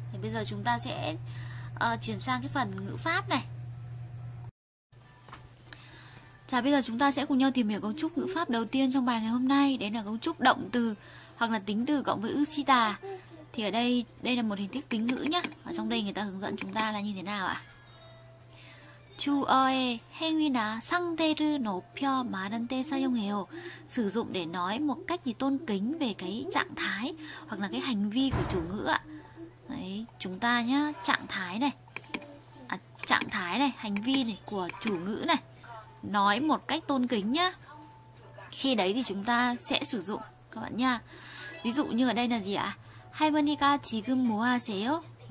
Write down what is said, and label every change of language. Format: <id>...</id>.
<vi>Thì bây giờ chúng ta sẽ chuyển sang cái phần ngữ pháp này. Chà, bây giờ chúng ta sẽ cùng nhau tìm hiểu cấu trúc ngữ pháp đầu tiên trong bài ngày hôm nay. Đấy là cấu trúc động từ hoặc là tính từ cộng với ư xi tà. Thì ở đây đây là một hình thức kính ngữ nhé. Ở trong đây người ta hướng dẫn chúng ta là như thế nào ạ?</vi> <ko>À? 주어의 행위나 상대를 높여 말한 때 사용해요.</ko> <vi>Sử dụng để nói một cách thì tôn kính về cái trạng thái hoặc là cái hành vi của chủ ngữ ạ. Đấy, chúng ta nhá, trạng thái này. Trạng thái này, hành vi này của chủ ngữ này. Nói một cách tôn kính nhá. Khi đấy thì chúng ta sẽ sử dụng các bạn nhá. Ví dụ như ở đây là gì ạ? À?</vi> <ko>할머니가 지금 뭐 하세요?</ko>